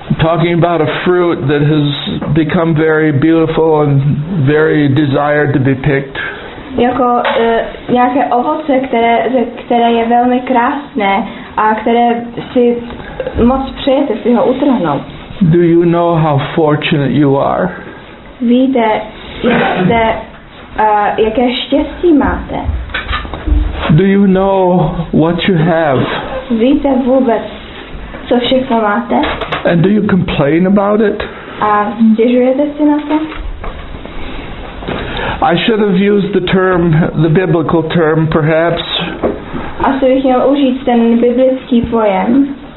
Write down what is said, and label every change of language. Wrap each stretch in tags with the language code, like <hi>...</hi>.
<en>Talking about a fruit that has become very beautiful and very desired to be picked.</en> <cs>Jako nějaké ovoce, které je velmi krásné a které si moc přejete si ho utrhnout.</cs> <en>Do you know how fortunate you are?</en> <cs>Víte, jste, jaké štěstí máte?</cs> <en>Do you know what you have?</en> <cs>Víte vůbec, co všechno máte?</cs> <en>And do you complain about it?</en> <cs>A stěžujete si na to?</cs> <en>I should have used the term, the biblical term, perhaps.</en> <cs>Asi bych měl užít ten biblický pojem.</cs>